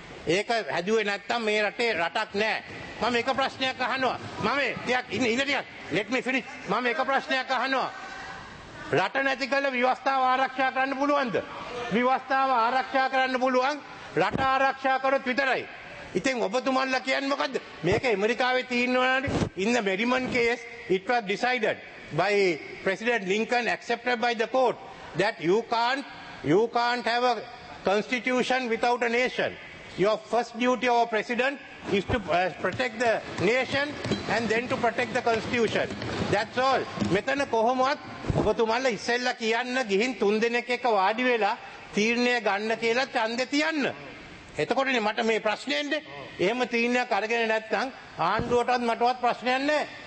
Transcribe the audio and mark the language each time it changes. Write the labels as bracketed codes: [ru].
[si] ඒක හැදුවේ නැත්තම් මේ රටේ රටක් නැහැ. මම එක ප්‍රශ්නයක් අහනවා. මම ටිකක් ඉන්න ටිකක්. [en] Let me finish. [si] මම එක ප්‍රශ්නයක් අහනවා. රට නැති කළ විවස්ථාව ආරක්ෂා කරන්න පුළුවන්ද? විවස්ථාව ආරක්ෂා කරන්න පුළුවන් රට ආරක්ෂා කරොත් විතරයි. ඉතින් ඔබතුමන්ලා කියන්නේ මොකද්ද? මේක ඇමරිකාවේ තීන්දුවනේ. [en] In the Merriman case, it was decided by President Lincoln, accepted by the court, that you can't have a constitution without a nation. Your first duty of a president is to protect the nation and then to protect the constitution. That's all. [si] මෙතන කොහොමවත් ඔබතුමාලා ඉස්සෙල්ලා කියන්න ගිහින් තුන් දෙනෙක් එක වාඩි වෙලා තීරණය ගන්න කියලා ඡන්දෙ තියන්න. එතකොටනේ මට මේ ප්‍රශ්නේ එන්නේ. එහෙම තීරණයක් අරගෙන නැත්නම් ආණ්ඩුවටත් මටවත් ප්‍රශ්නයක් නැහැ.